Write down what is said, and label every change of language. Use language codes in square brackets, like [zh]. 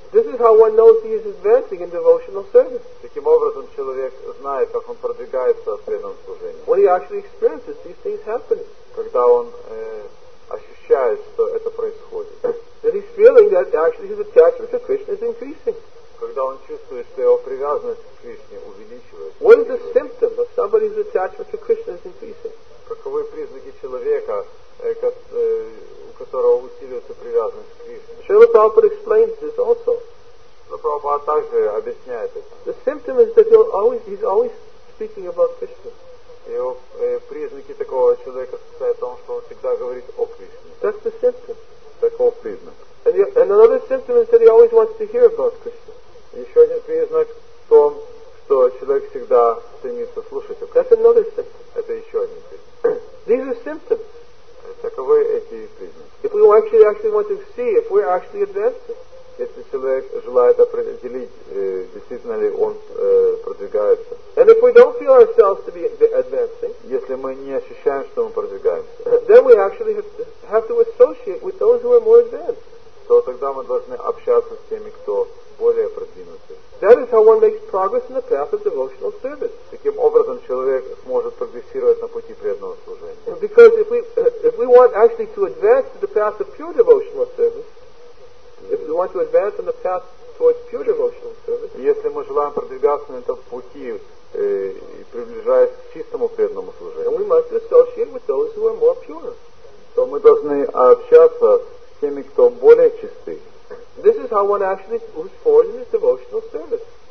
[en] This is how one knows he is advancing in devotional service. [ru] Таким образом, человек знает, как он продвигается в преданном служении. [en] When he actually experiences these things happening. [ru] Когда он ощущает, что это происходит. [en] That he's feeling that actually his attachment to Krishna is increasing. [ru] Когда он чувствует, что его привязанность к Кришне увеличивается. [en] What is the symptom of somebody's attachment to Krishna is increasing? [ru] Каковы признаки человека, у которого усиливается привязанность к Кришне? [en] Шрила Прабхупада explains this also. [ru] Но Прабхупада также объясняет это. [en] The symptom is that he's always speaking about Krishna. [ru] Его признаки такого человека состоят в том, что он всегда говорит о Кришне. [en] That's the symptom. [ru] Таков признак. [en] And another symptom is that he always wants to hear about Krishna. [ru] Еще один признак в том, что человек всегда стремится слушать о Кришне. [en] That's another symptom. [ru] Это еще один признак. [en] These are symptoms. [ru] Таковы эти признаки. [en] If we actually want to see if we're actually advancing. [ru] Если человек желает определить, действительно ли он продвигается. [en] And if we don't feel ourselves to be advancing. [ru] Если мы не ощущаем, что мы продвигаемся. [en] Then we actually have to associate with those who are more advanced. [ru] То тогда мы должны общаться с теми, кто более продвинутый. [en] That is how one makes progress in the path of devotional service. [ru] Таким образом, человек сможет прогрессировать на пути преданного служения. [en] Because if we want actually to advance to the path of pure devotional service, if we want to advance on the path towards pure devotional service, [ru] нам продвигаться на этом пути, и приближаясь к чистому преданному служению. То мы должны общаться с теми, кто более чисты. [en] This is how one actually moves forward in his devotional service.